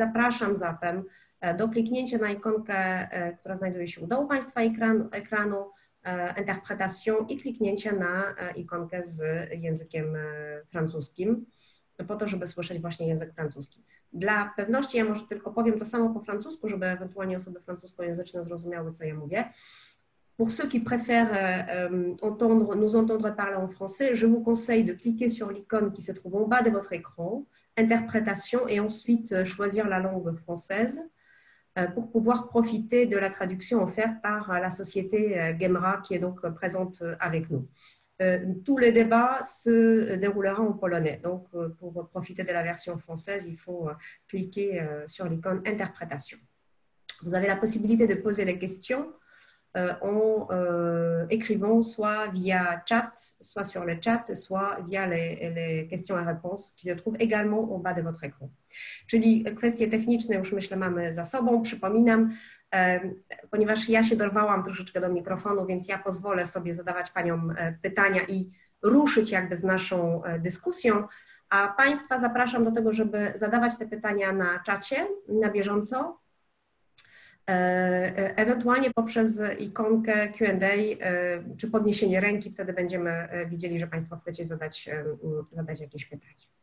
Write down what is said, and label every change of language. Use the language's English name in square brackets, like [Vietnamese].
[Polish] Zapraszam zatem do kliknięcia na ikonkę, która znajduje się u dołu Państwa ekranu Interpretation i kliknięcia na ikonkę z językiem francuskim po to, żeby słyszeć właśnie język francuski. Dla pewności ja może tylko powiem to samo po francusku, żeby ewentualnie osoby francuskojęzyczne zrozumiały, co ja mówię. [French] Pour ceux qui préfèrent nous entendre parler en français, je vous conseille de cliquer sur l'icône qui se trouve en bas de votre écran, interprétation, et ensuite choisir la langue française pour pouvoir profiter de la traduction offerte par la société GEMRA qui est donc présente avec nous. Tous les débats se dérouleront en polonais. Donc, pour profiter de la version française, il faut cliquer sur l'icône interprétation. Vous avez la possibilité de poser des questions en écrivant soit via chat, soit sur le chat, soit via les questions et réponses qui se trouvent également en bas de votre écran. [Polish] Czyli kwestie techniczne już myślę mamy za sobą. Przypominam, ponieważ ja się dorwałam troszeczkę do mikrofonu, więc ja pozwolę sobie zadawać paniom pytania i ruszyć jakby z naszą dyskusją, a Państwa zapraszam do tego, żeby zadawać te pytania na czacie na bieżąco, ewentualnie poprzez ikonkę Q&A czy podniesienie ręki, wtedy będziemy widzieli, że Państwo chcecie zadać jakieś pytanie.